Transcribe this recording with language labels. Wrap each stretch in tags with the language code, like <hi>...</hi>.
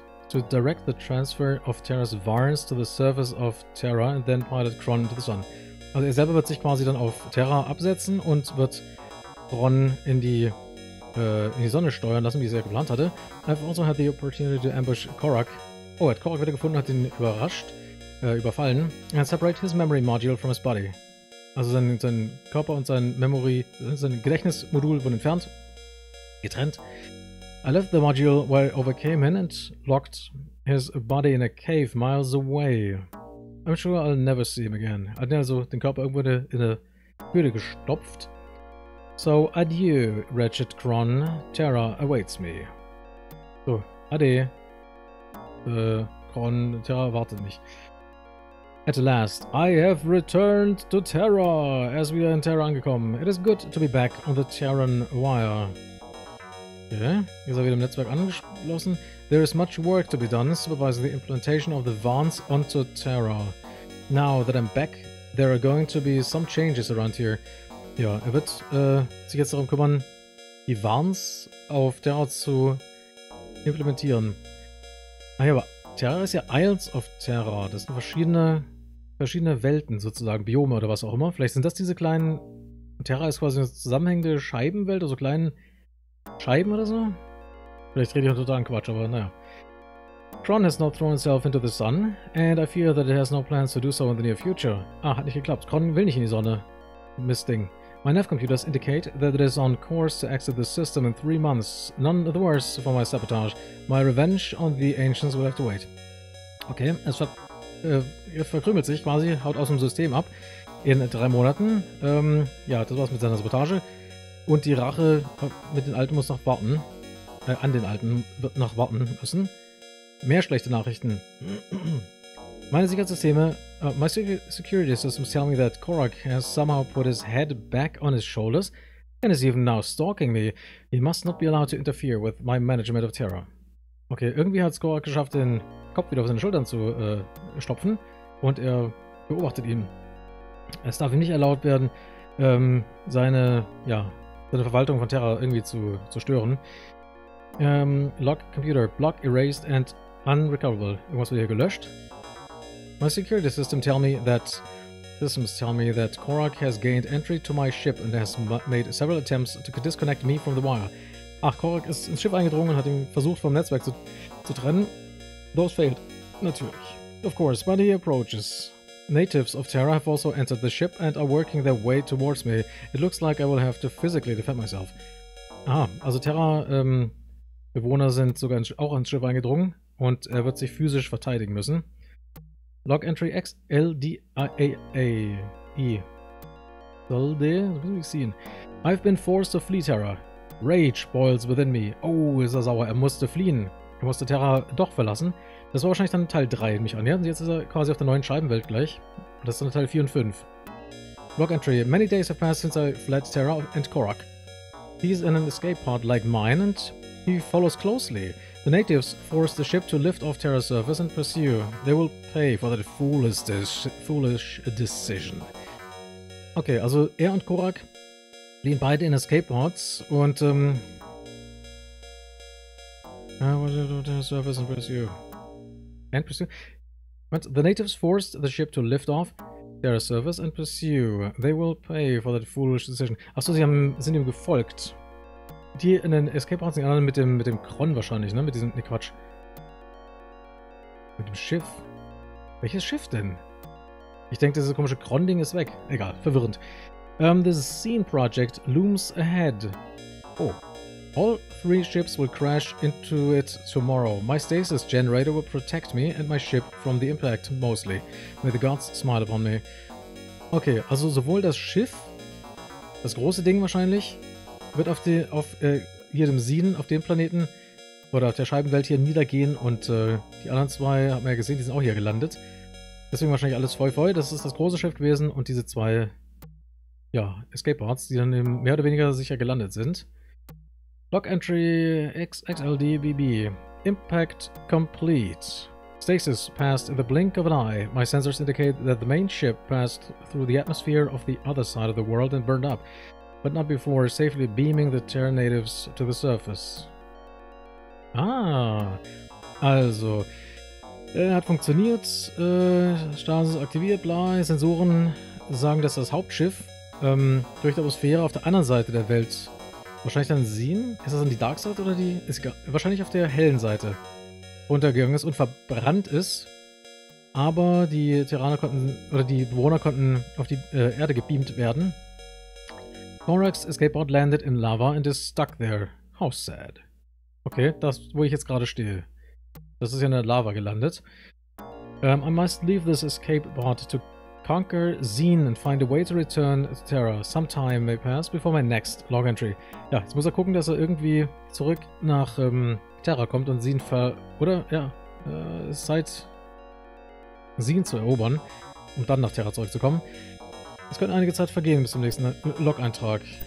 <en>To direct the transfer of Terra's Varns to the surface of Terra and then pilot Kron into the sun.</en> <de>Also er selber wird sich quasi dann auf Terra absetzen und wird Kron in die Sonne steuern lassen, wie es er geplant hatte.</de> <en>I've also had the opportunity to ambush Korak.</en> <de>Oh, er hat Korak wieder gefunden, hat ihn überfallen.</de> <en>And separate his memory module from his body.</en> <de>Also sein Körper und sein Gedächtnismodul wurden entfernt. Getrennt.</de> <en>I left the module where I overcame him and locked his body in a cave miles away. I'm sure I'll never see him again.</en> <de>Hat er also den Körper irgendwo in eine Höhle gestopft.</de> <en>So, adieu, wretched Kron. Terra awaits me.</en> <de>So, ade. Kron, Terra wartet mich.</de> <en>At last, I have returned to Terra, as we are in Terra angekommen. It is good to be back on the Terran wire.</en> <de>Okay, ist er wieder im Netzwerk angeschlossen.</de> <en>There is much work to be done, supervising the implantation of the Varns onto Terra. Now that I'm back, there are going to be some changes around here.</en> <de>Ja, er wird sich jetzt darum kümmern, die Varns auf Terra zu implementieren. Ach ja, aber Terra ist ja Isles of Terra. Das sind verschiedene Welten sozusagen, Biome oder was auch immer. Vielleicht sind das diese kleinen... Terra ist quasi eine zusammenhängende Scheibenwelt, also kleinen Scheiben oder so. Vielleicht rede ich auch total Quatsch, aber naja.</de> <en>Kron has not thrown himself into the sun, and I fear that it has no plans to do so in the near future.</en> <de>Ah, hat nicht geklappt. Kron will nicht in die Sonne. Mistding.</de> <en>My nav computers indicate that it is on course to exit the system in 3 months. None the worse for my sabotage. My revenge on the ancients will have to wait.</en> <de>Okay, es verkrümelt sich quasi, haut aus dem System ab. In 3 Monaten. Ja, das war's mit seiner Sabotage. Und die Rache mit den Alten muss noch warten. An den Alten wird noch warten müssen. Mehr schlechte Nachrichten. Meine Sicherheitssysteme.</de> <en>My security systems tell me that Korak has somehow put his head back on his shoulders and is even now stalking me. He must not be allowed to interfere with my management of Terra.</en> <de>Okay, irgendwie hat Korak geschafft, den Kopf wieder auf seine Schultern zu stopfen und er beobachtet ihn. Es darf ihm nicht erlaubt werden, seine Verwaltung von Terra irgendwie zu stören.</de> <en>Lock computer. Block erased and unrecoverable.</en> <de>Irgendwas wird hier gelöscht.</de> <en>My security systems tell me that Korak has gained entry to my ship and has made several attempts to disconnect me from the wire.</en> <de>Ach, Korak ist ins Schiff eingedrungen und hat ihn versucht vom Netzwerk zu trennen.</de> <en>Those failed.</en> <de>Natürlich.</de> <en>Of course, when he approaches, natives of Terra have also entered the ship and are working their way towards me. It looks like I will have to physically defend myself.</en> <de>Ah, also Terra Bewohner sind sogar auch ins Schiff eingedrungen und er wird sich physisch verteidigen müssen.</de> <en>Log entry XLDIAAE.</en> <de>Solde? Was hab ich gesehen?</de> <en>I've been forced to flee Terra. Rage boils within me.</en> <de>Oh, ist er sauer. Er musste fliehen. Er musste Terra doch verlassen. Das war wahrscheinlich dann Teil 3, mich an. Ja, und jetzt ist er quasi auf der neuen Scheibenwelt gleich. Und das ist dann Teil 4 und 5.</de> <en>Log entry. Many days have passed since I fled Terra and Korak. He's in an escape pod like mine and he follows closely. The natives force the ship to lift off Terra's surface and pursue. They will pay for that foolish decision.</en> <de>Okay, also er und Korak fliehen beide in Escape Pods und</de> <en>The natives forced the ship to lift off Terra's surface and pursue. They will pay for that foolish decision.</en> <de>Achso, sind ihm gefolgt. Die in den Escape Pods, die anderen mit dem Kron wahrscheinlich, ne? Mit diesem. Ne, Quatsch. Mit dem Schiff. Welches Schiff denn? Ich denke, dieses komische Kron-Ding ist weg. Egal, verwirrend.</de> <en>The Scene Project looms ahead. Oh. All 3 ships will crash into it tomorrow. My stasis generator will protect me and my ship from the impact, mostly. May the gods smile upon me.</en> <de>Okay, also sowohl das Schiff, das große Ding wahrscheinlich, wird auf jedem Scene, auf dem Planeten oder auf der Scheibenwelt hier niedergehen und die anderen zwei, haben wir ja gesehen, die sind auch hier gelandet. Deswegen wahrscheinlich alles voll voll. Das ist das große Schiff gewesen und diese zwei, ja, Escape-Parts, die dann eben mehr oder weniger sicher gelandet sind.</de> <en>Log entry XXLDBB. Impact complete. Stasis passed in the blink of an eye. My sensors indicate that the main ship passed through the atmosphere of the other side of the world and burned up, but not before safely beaming the Terran natives to the surface.</en> <de>Ah, also, hat funktioniert, Stasis aktiviert, bla, Sensoren sagen, dass das Hauptschiff durch die Atmosphäre auf der anderen Seite der Welt wahrscheinlich dann sehen. Ist das dann die Dark Side oder die? Ist wahrscheinlich auf der hellen Seite untergegangen ist und verbrannt ist, aber die Terraner konnten, oder die Bewohner konnten auf die Erde gebeamt werden.</de> <en>Korax Escapeboard landed in lava and is stuck there. How sad.</en> <de>Okay, das, wo ich jetzt gerade stehe. Das ist ja in der Lava gelandet.</de> <en>I must leave this escape pod to conquer Zeen and find a way to return to Terra. Some time may pass before my next log entry.</en> <de>Ja, jetzt muss er gucken, dass er irgendwie zurück nach Terra kommt und Zeen ver... Oder, ja, es ist Zeit, Zeen zu erobern, um dann nach Terra zurückzukommen. Es könnte einige Zeit vergehen bis zum nächsten Log-Eintrag.</de>